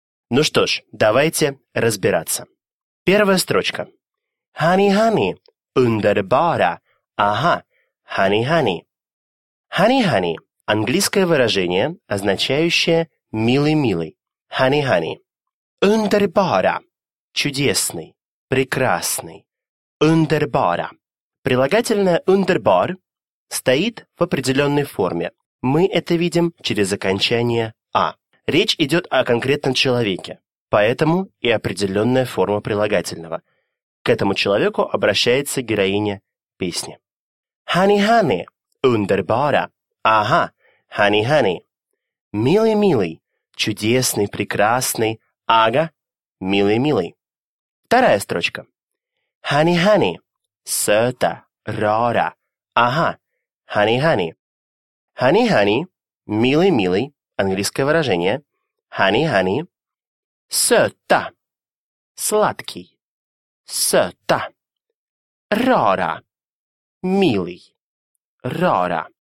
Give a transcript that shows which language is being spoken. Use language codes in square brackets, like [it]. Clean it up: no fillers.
[ru] Ну что ж, давайте разбираться. Первая строчка. [sv] Honey, honey, underbara. Ага, honey, honey. [en] Honey, honey [ru] – английское выражение, означающее «милый-милый». [sv] Honey, honey. [ru] Underbara – чудесный, прекрасный. [sv] Underbara. [ru] Прилагательное underbar стоит в определенной форме. Мы это видим через окончание «а». Речь идет о конкретном человеке, поэтому и определенная форма прилагательного. К этому человеку обращается героиня песни. [sv] Honey, honey, underbara. Ага, honey, honey. [ru] Милый, милый, чудесный, прекрасный. Ага, милый, милый. Вторая строчка. [sv] Honey, honey, söta, rara. Ага, honey, honey. [en] Honey, honey, [ru] милый, милый, английское выражение. [sv] Honey, honey. Söta. [ru] Сладкий. [sv] Söta. Rara. [ru] Милый. [sv] Rara.